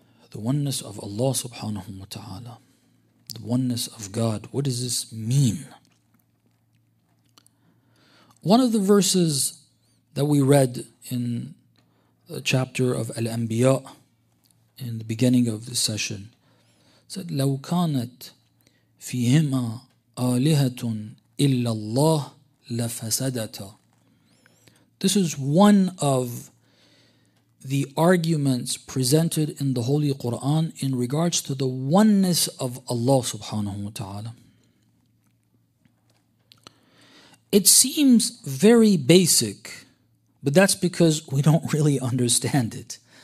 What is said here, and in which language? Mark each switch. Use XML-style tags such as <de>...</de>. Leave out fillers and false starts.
<en>The oneness of Allah subhanahu wa ta'ala. The oneness of God. What does this mean? One of the verses that we read in chapter of Al-Anbiya in the beginning of the session.</en> <ar>Said, لَوْ كَانَتْ فِيهِمَا آلِهَةٌ إِلَّا اللَّهِ لَفَسَدَتَ.</ar> <en>This is one of the arguments presented in the Holy Quran in regards to the oneness of Allah subhanahu wa ta'ala. It seems very basic, but that's because we don't really understand it.</en>